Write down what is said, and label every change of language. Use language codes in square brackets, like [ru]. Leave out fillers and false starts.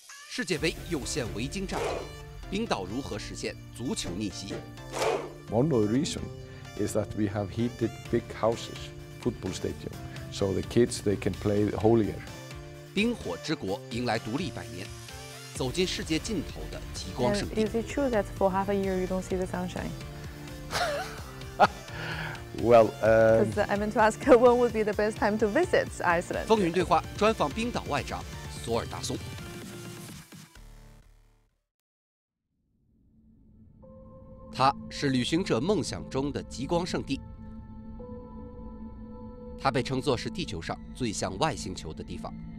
[zh] 世界杯又现维京战术，冰岛如何实现足球逆袭 [en] ？One of the reason is that we have heated big houses, football stadium, so the kids they can play holier. [zh] 冰火之国迎来独立百年，走进世界尽头的极光圣地。 [en] Is it true that for half a year you don't see the sunshine? Well, I meant to ask when would be the best time to visit Iceland. [zh] 风云对话专访冰岛外长索尔达松。它是旅行者梦想中的极光圣地，它被称作是地球上最像外星球的地方。